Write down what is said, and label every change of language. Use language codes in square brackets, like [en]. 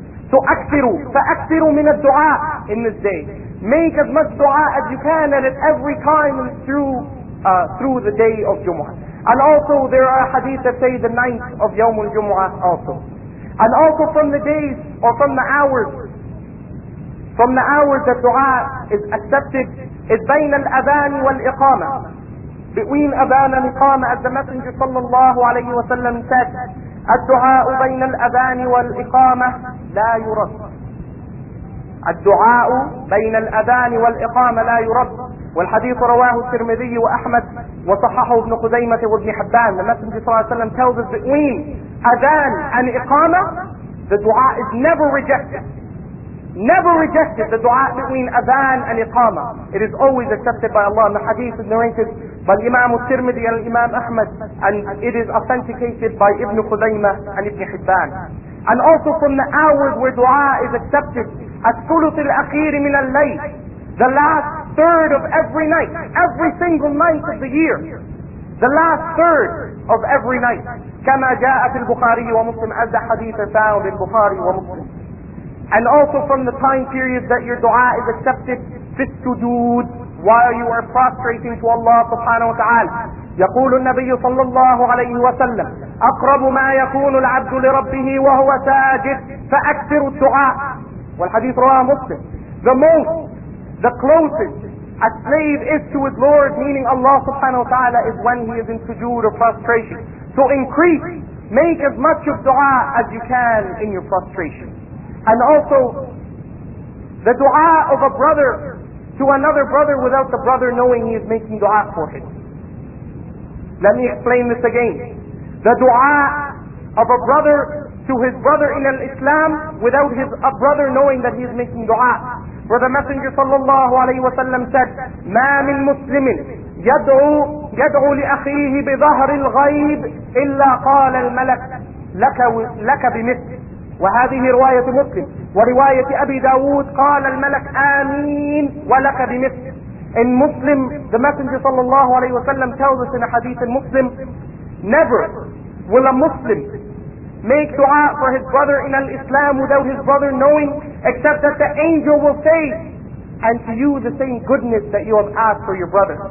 [en] So [ar] أكثروا فأكثروا من الدعاء [en] in this day. Make as much dua as you can and at every time through the day of Jumu'ah. And also there are hadith that say the ninth of Yawm al-Jumu'ah also. And also from the days or from the hours that dua is accepted is [ar] بين الأذان والإقامة. [en] Between [ar] أذان وإقامة, [en] as the Messenger [ar] صلى الله عليه وسلم [en] said, [ar] الدعاء بين الأذان والإقامة لا يرد. الدعاء بين الأذان والإقامة لا يرد. والحديث رواه الترمذي وأحمد وصححه ابن خزيمة وابن حبان. [en] The Messenger صلى الله عليه وسلم tells us between أذان and إقامة, the dua is never rejected. never rejected the dua between adhan and iqama. It is always accepted by Allah. In the hadith is narrated by Imam al-Tirmidhi and Imam Ahmad, and it is authenticated by Ibn Khuzaymah and Ibn Hibban. And also from the hours where dua is accepted, at thuluth al-akhir min al-layl, the last third of every night, every single night of the year, the last third of every night, [ar] كما جاء في البخاري ومسلم, [en] as the hadith is found in Bukhari and Muslim. And also from the time period that your dua is accepted, [ar] في السجود, [en] while you are prostrating to Allah subhanahu wa ta'ala. [ar] يقول النبي صلى الله عليه وسلم أقرب ما يكون العبد لربه وهو ساجد فأكثر الدعاء. والحديث رواه مسلم. [en] The most, the closest a slave is to his Lord, meaning Allah subhanahu wa ta'ala, is when he is in sujood or prostration. So increase, make as much of dua as you can in your prostration. And also, the dua of a brother to another brother without the brother knowing he is making dua for him. Let me explain this again. The dua of a brother to his brother in al-Islam without his a brother knowing that he is making dua. For the Messenger sallallahu alayhi wa sallam said, [ar] مَا مِن مُسْلِمٍ يَدْعُ لِأَخِيهِ بِظَهْرِ الْغَيْبِ إِلَّا قَالَ الْمَلَكُ لَكَ بِمِثْلِ. وهذه رواية مسلم. ورواية أبي داود قال الملك آمين ولك بمثل. [en] In Muslim, the Messenger sallallahu alayhi wa sallam tells us in a hadith in Muslim, never will a Muslim make dua for his brother in al-Islam without his brother knowing, except that the angel will say, and to you the same goodness that you have asked for your brother.